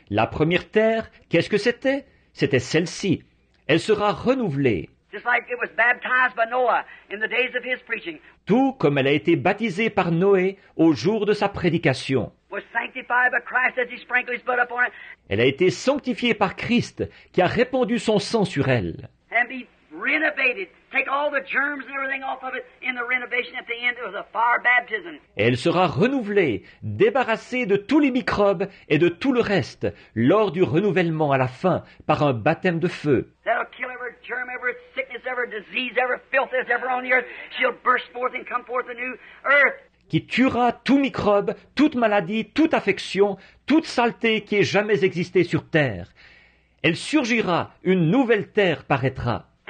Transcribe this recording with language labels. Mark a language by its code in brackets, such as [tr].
[fr] La première terre, qu'est-ce que c'était? C'était celle-ci. Elle sera renouvelée. [en] Just like it was baptized by Noah in the days of his preaching. [fr] Tout comme elle a été baptisée par Noé au jour de sa prédication. [en] Was sanctified by Christ as he sprinkled his blood upon it. [fr] Elle a été sanctifiée par Christ qui a répandu son sang sur elle. [en] And be renovated. Take all the germs and everything off of it in the renovation at the end. It was a fire baptism. [fr] Et elle sera renouvelée, débarrassée de tous les microbes et de tout le reste lors du renouvellement à la fin par un baptême de feu. [en] That'll kill every germ, every sickness, every disease, every filth that's ever on the earth. She'll burst forth and come forth a new earth. [fr] Qui tuera tout microbe, toute maladie, toute affection, toute saleté qui ait jamais existé sur terre. Elle surgira, une nouvelle terre paraîtra.